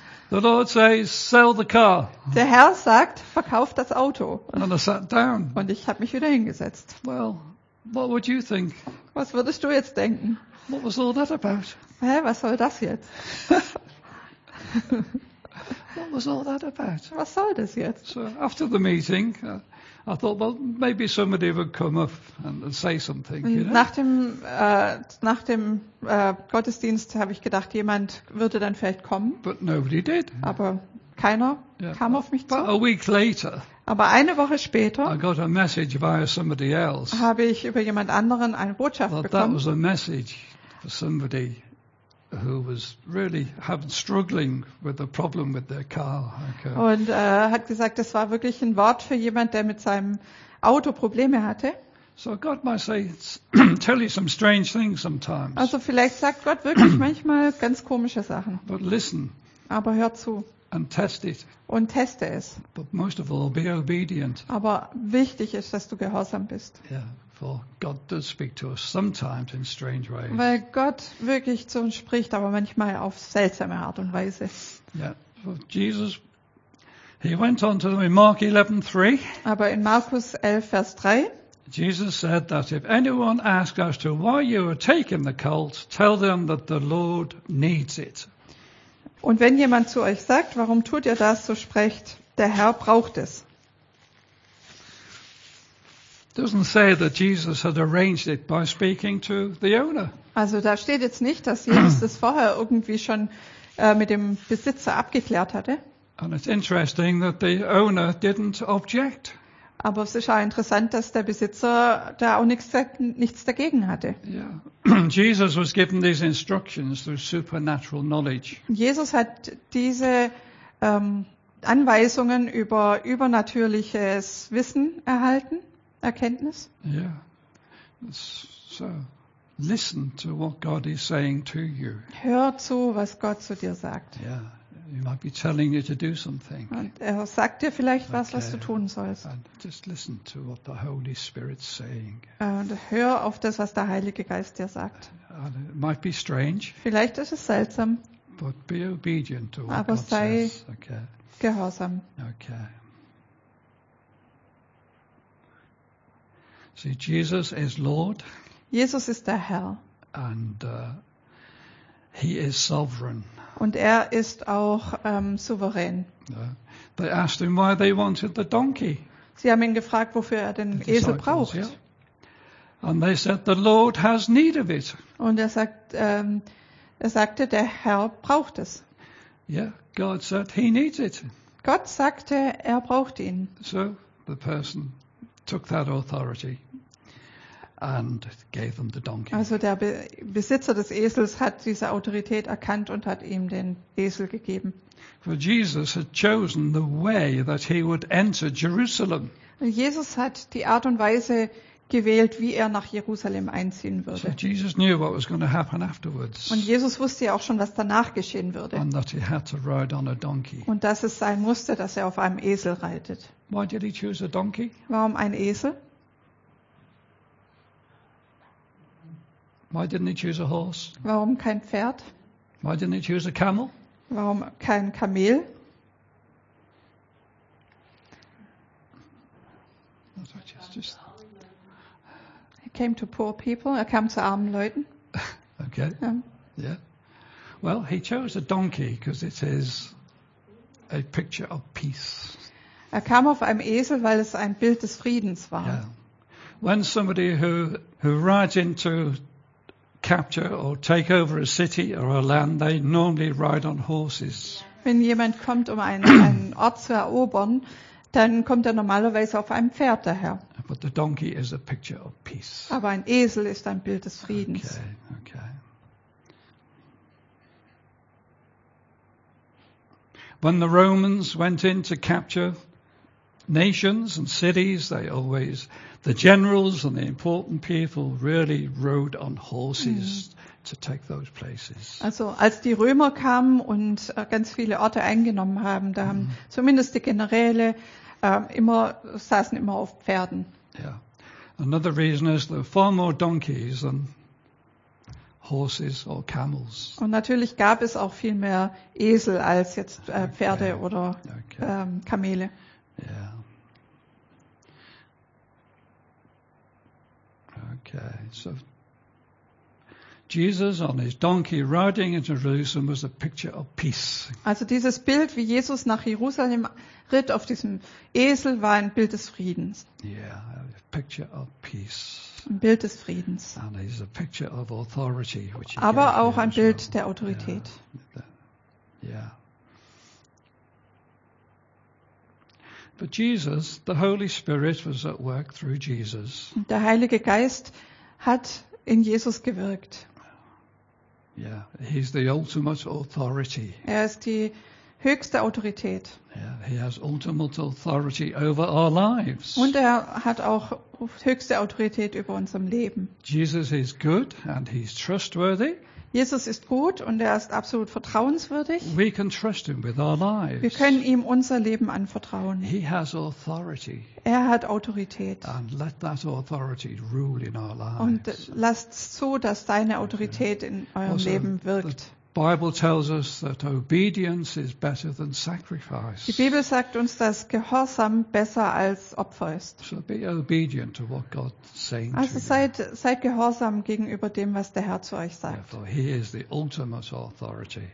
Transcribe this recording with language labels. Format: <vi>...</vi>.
<en>The Lord says, "Sell the car."</en> <de>Der Herr sagt, verkauf das Auto.</de> <en>And I sat down.</en> <de>Und ich habe mich wieder hingesetzt.</de> <en>Well, what would you think?</en> <de>Was würdest du jetzt denken?</de> <en>What was all that about?</en> <de>Hä, was soll das jetzt?</de> <en>What was all that about?</en> <de>Was soll das jetzt?</de> <en>So after the meeting, I thought, well, maybe somebody would come up and say something. You know?</en> <de>Nach dem Gottesdienst habe ich gedacht, jemand würde dann vielleicht kommen.</de> <en>But nobody did.</en> <de>Aber keiner kam auf mich zu.</de> <en>A week later.</en> <de>Aber eine Woche später.</de> <en>I got a message via somebody else.</en> <de>Habe ich über jemand anderen eine Botschaft bekommen.</de> <en>That was a message for somebody who was really having struggling with the problem with their car. Okay.</en> <de>Und hat gesagt, das war wirklich ein Wort für jemand, der mit seinem Auto Probleme hatte.</de> <en>So God might say, tell you some strange things sometimes.</en> <de>Also vielleicht sagt Gott wirklich manchmal ganz komische Sachen.</de> <en>But listen.</en> <de>Aber hör zu.</de> <en>And test it.</en> <de>Und teste es.</de> <en>But most of all, be obedient.</en> <de>Aber wichtig ist, dass du gehorsam bist.</de> <en>Yeah. For God does speak to us sometimes in strange ways.</en> <de>Weil Gott wirklich zu uns spricht, aber manchmal auf seltsame Art und Weise.</de> <en>Yeah. So Jesus, he went on to in Mark 11:3.</en> <de>Aber in Markus 11, Vers 3.</de> <en>Jesus said that if anyone asks as to why you are taking the colt, tell them that the Lord needs it.</en> <de>Und wenn jemand zu euch sagt, warum tut ihr das, so sprecht, der Herr braucht es.</de> <en>Doesn't say that Jesus had arranged it by speaking to the owner.</en> <de>Also da steht jetzt nicht, dass Jesus das vorher irgendwie schon mit dem Besitzer abgeklärt hatte.</de> <en>And it's interesting that the owner didn't object.</en> <de>Aber es ist auch interessant, dass der Besitzer da auch nichts dagegen hatte.</de> <en>Yeah. Jesus was given these instructions through supernatural knowledge.</en> <de>Jesus hat diese Anweisungen über übernatürliches Wissen erhalten. Erkenntnis?</de> <en>Yeah. So listen to what God is saying to you.</en> <de>Hör zu, was Gott zu dir sagt.</de> <en>Yeah. He might be telling you to do something.</en> <de>Und er sagt dir vielleicht was du tun sollst.</de> <en>And just listen to what the Holy Spirit's saying.</en> <de>Und hör auf das, was der Heilige Geist dir sagt.</de> <en>And it might be strange.</en> <de>Vielleicht ist es seltsam.</de> <en>But be obedient to what</en> <de>aber</de> <en>God</en> <de>sei</de> <en>says.</en> <de>Okay. Gehorsam.</de> <en>Okay. See, Jesus is Lord.</en> <de>Jesus ist der Herr.</de> <en>And he is sovereign.</en> <de>Und er ist auch souverän.</de> <en>Yeah. They asked him why they wanted the donkey.</en> <de>Sie haben ihn gefragt, wofür er den Esel braucht.</de> <en>Yeah. And they said, "The Lord has need of it."</en> <de>Und er sagte, der Herr braucht es.</de> <en>Yeah, God said he needs it.</en> <de>Gott sagte, er braucht ihn.</de> <en>So the person took that authority and gave them the donkey.</en> <de>Also der Besitzer des Esels hat diese Autorität erkannt und hat ihm den Esel gegeben.</de> <en>For Jesus had chosen the way that he would enter Jerusalem.</en> <de>Jesus hat die Art und Weise gewählt, wie er nach Jerusalem einziehen würde.</de> <en>So Jesus knew what was going to happen afterwards.</en> <de>Und Jesus wusste ja auch schon, was danach geschehen würde.</de> <en>And that he had to ride on a donkey.</en> <de>Und dass es sein musste, dass er auf einem Esel reitet.</de> <en>Why did he choose a donkey?</en> <de>Warum ein Esel?</de> <en>Why didn't he choose a horse?</en> <de>Warum kein Pferd?</de> <en>Why didn't he choose a camel?</en> <de>Warum kein Kamel?</de> <en>He came to poor people.</en> <de>Er kam zu armen Leuten.</de> <en>Okay. Yeah. Well, he chose a donkey because it says a picture of peace.</en> <de>Er kam auf einem Esel, weil es ein Bild des Friedens war.</de> <en>Yeah. When somebody who rides in to capture or take over a city or a land, they normally ride on horses.</en> <de>Wenn jemand kommt, um einen Ort zu erobern, dann kommt er normalerweise auf einem Pferd daher.</de> <en>But the donkey is a picture of peace.</en> <de>Aber ein Esel ist ein Bild des Friedens.</de> <en>Okay. When the Romans went in to capture nations and cities, they always, the generals and the important people really rode on horses to take those places.</en> <de>Also, als die Römer kamen und ganz viele Orte eingenommen haben, da haben zumindest die Generäle saßen immer auf Pferden.</de> <en>Yeah. Another reason is there are far more donkeys than horses or camels.</en> <de>Und natürlich gab es auch viel mehr Esel als jetzt Pferde oder Kamele.</de> <en>Yeah. Okay. So Jesus on his donkey riding into Jerusalem was a picture of peace.</en> <de>Also dieses Bild, wie Jesus nach Jerusalem ritt auf diesem Esel, war ein Bild des Friedens.</de> <en>Yeah, a picture of peace.</en> <de>Ein Bild des Friedens.</de> <en>And he's a picture of authority, which he</en> <de>aber auch ein Bild der Autorität.</de> <en>Yeah. But Jesus, the Holy Spirit was at work through Jesus.</en> <de>Der Heilige Geist hat in Jesus gewirkt.</de> <en>Yeah, he's the ultimate authority.</en> <de>Er ist die höchste Autorität.</de> <en>Yeah, he has ultimate authority over our lives.</en> <de>Und er hat auch höchste Autorität über unserem Leben.</de> <en>Jesus is good and he's trustworthy.</en> <de>Jesus ist gut und er ist absolut vertrauenswürdig.</de> <en>We can trust him with our lives.</en> <de>Wir können ihm unser Leben anvertrauen.</de> <en>He has authority.</en> <de>Er hat Autorität.</de> <en>And let that authority rule in our lives.</en> <de>Und lasst zu, dass deine Autorität in eurem Leben wirkt.</de> <en>Bible tells us that obedience is better than sacrifice.</en> <de>Die Bibel sagt uns, dass Gehorsam besser als Opfer ist.</de> <en>So be obedient to what God's saying</en> <de>also</de> <en>to</en> <de>seid gehorsam gegenüber dem, was der Herr zu euch sagt.</de> <en>Yeah, for he is the ultimate authority.</en>